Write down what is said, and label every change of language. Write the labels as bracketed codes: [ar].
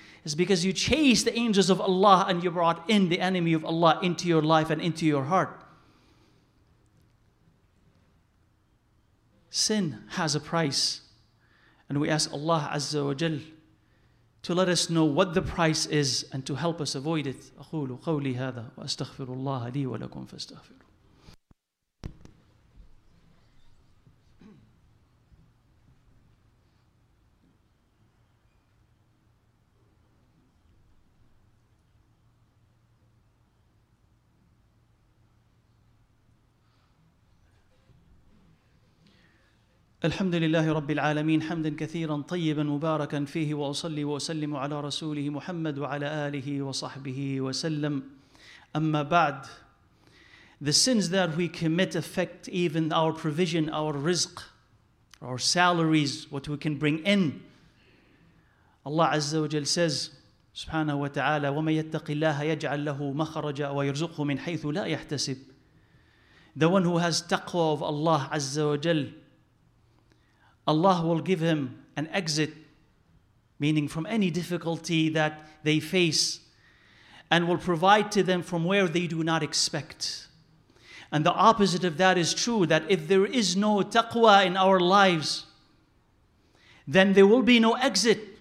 [en] It's because you chased the angels of Allah and you brought in the enemy of Allah into your life and into your heart. Sin has a price. And we ask Allah Azza wa Jal to let us know what the price is and to help us avoid it. [ar] أقول قولي هذا وأستغفر الله لي ولكم فاستغفروا. الحمد لله رب العالمين حمدا كثيرا طيبا مباركا فيه وأصلي وأسلم على رسوله محمد وعلى آله وصحبه وسلم أما بعد. [en] The sins that we commit affect even our provision, our rizq, our salaries, what we can bring in. [ar] Allah عز وجل says, سبحانه وتعالى وَمَنْ يَتَّقِ اللَّهَ يَجْعَلْ لَهُ مَخْرَجًا وَيَرْزُقْهُ مِنْ حَيْثُ لَا يَحْتَسِبْ. [en] The one who has taqwa of Allah عز وجل, Allah will give him an exit, meaning from any difficulty that they face, and will provide to them from where they do not expect. And the opposite of that is true, that if there is no taqwa in our lives, then there will be no exit.